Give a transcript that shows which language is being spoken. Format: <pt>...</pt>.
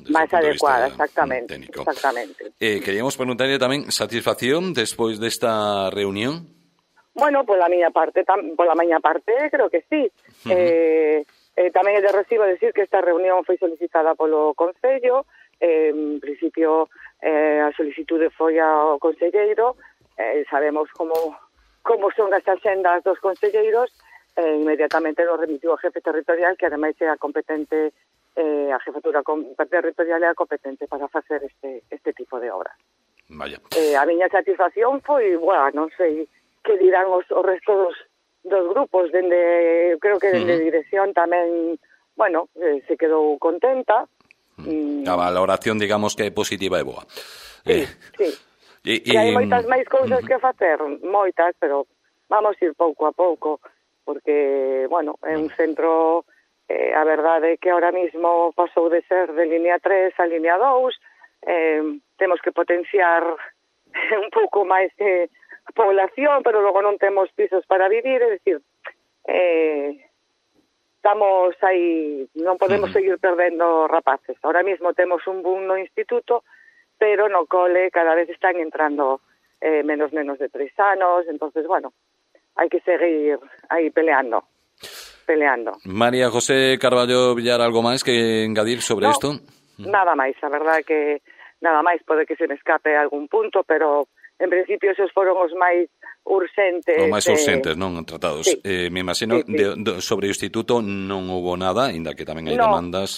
<gl>Desde máis adecuada, exactamente. Técnico. Exactamente. Queríamos preguntarle tamén, satisfacción despois desta reunión? Bueno, pola miña parte, creo que sí. Tamén é de recibo decir que esta reunión foi solicitada polo Concello. En principio, a solicitude foi ao conselleiro. Sabemos como son as axendas dos conselleiros.</gl> <es>Inmediatamente lo remitió a jefe territorial, que además sea competente, a jefatura territorial era competente para hacer este tipo de obra. Vaya.</es> <gl>A miña satisfacción foi, bueno, non sei que dirán os restos dos grupos, creo que desde dirección tamén, bueno, se quedou contenta. A valoración, digamos, que é positiva e boa. Sí. Y hai moitas máis cousas que facer, moitas, pero vamos a ir pouco a pouco. Porque, bueno, é un centro, a verdade, que ahora mismo pasou de ser de línea 3 a línea 2. Temos que potenciar un pouco máis de población, pero logo non temos pisos para vivir, é dicir, estamos aí, non podemos seguir perdendo rapaces. Ahora mismo temos un boom no instituto, pero no cole cada vez están entrando menos nenos de 3 anos, entonces, bueno, hai que seguir aí peleando. María José Carballo Villar, algo máis que engadir sobre isto? No, nada máis, a verdad que nada máis, pode que se me escape algún punto, pero en principio esos foron os máis urxentes. Os máis urxentes, non, tratados. Sí. Me imagino, sí, sí. Sobre o instituto non hubo nada, inda que tamén hai demandas.</gl>